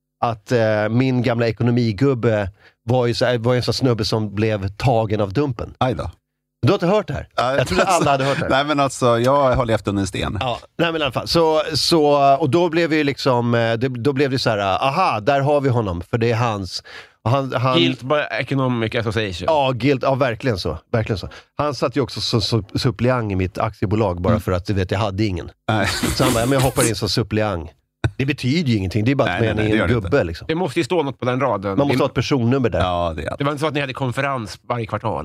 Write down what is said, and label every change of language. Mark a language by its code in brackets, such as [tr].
[sv] Att min gamla ekonomigubbe var ju en sån snubbe som blev tagen av dumpen. Aj då. Du har inte hört det här? Jag trodde alltså, alla hade hört det här. Nej, men alltså, jag har levt under en sten. Ja, nej, men i alla fall. Så, och då blev vi liksom, då blev det så här, aha, där har vi honom. För det är hans. [en] Han, guilt by economic association. [sv] Ja, guilt, ja, verkligen så. Verkligen så. Han satt ju också som suppleant i mitt aktiebolag, bara för att du vet, jag hade ingen. Nej. Så han bara, ja, men jag hoppar in som suppleant. Det betyder ju ingenting, det är bara att man är en gubbe. Liksom. Det måste ju stå något på den raden. Man måste ha ett personnummer där. Ja, det. Det var inte så att ni hade konferens varje kvartal.